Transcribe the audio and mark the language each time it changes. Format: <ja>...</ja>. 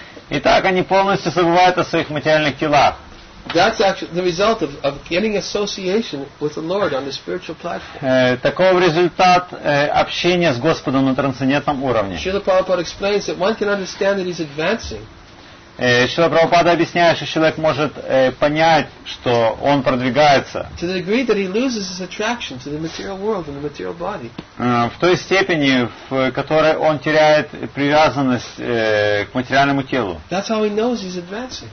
<ru>Итак, они полностью забывают о своих материальных телах.</ru> <en>That's actually the result of getting association with the Lord on the spiritual platform.</en> <ru>Таков результат общения с Господом на трансцендентном уровне.</ru> <en>Srila Prabhupada explains that one can understand that he's advancing.</en> <ru>Шрила Прабхупада объясняет, что человек может понять, что он продвигается. В той степени, в которой он теряет привязанность к материальному телу.</ru> <en>That's how he knows he's advancing.</en>